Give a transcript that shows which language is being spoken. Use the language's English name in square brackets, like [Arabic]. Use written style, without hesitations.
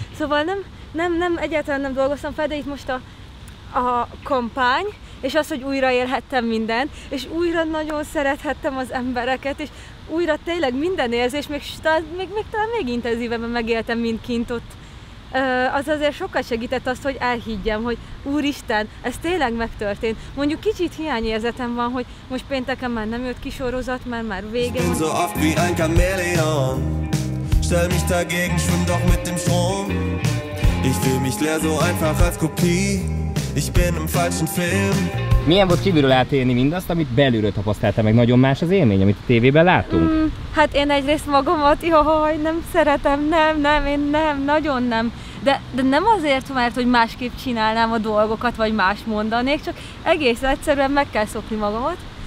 [Hungarian] Szóval nem, egyáltalán nem dolgoztam fel, de itt most a kampány, és az, hogy újra élhettem mindent, és újra nagyon szerethettem az embereket, és újra tényleg minden érzés, még talán még intenzívebben megéltem, mint kint ott. Az azért sokat segített azt, hogy elhiggyem, hogy úristen, ez tényleg megtörtént. Mondjuk kicsit hiányérzetem van, hogy most pénteken már nem jött ki sorozat, mert már vége van. [German] So oft wie ein Chamäleon, stell mich dagegen, schwimm doch mit dem Strom. Ich fühl mich leer so einfach als Kopie, ich bin im falschen Film. [Hungarian] Milyen volt kívülről átélni mindazt, amit belülről tapasztaltál meg? Nagyon más az élmény, amit a tévében látunk? Hát én egyrészt magamat, jaj, nem szeretem, nem, nagyon nem. De nem azért, mert hogy másképp csinálnám a dolgokat, vagy más mondanék, csak egész egyszerűen meg kell szokni magamat.